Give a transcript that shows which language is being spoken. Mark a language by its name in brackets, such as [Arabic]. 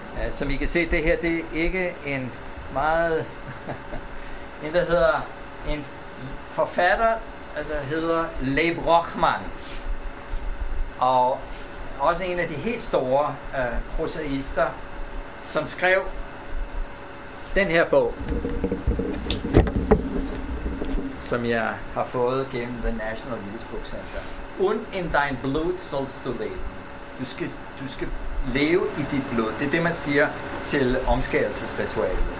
[Danish] Som I kan se, det her det er ikke en meget en forfatter, der hedder Leib Rochmann. Og også en af de helt store prosaister, som skrev den her bog, som jeg har fået gennem The National Jewish Book Center. [German] Und in dein Blut sollst du leben. [Danish] Du skal leve i dit blod. Det er det, man siger til omskærelsesritualet.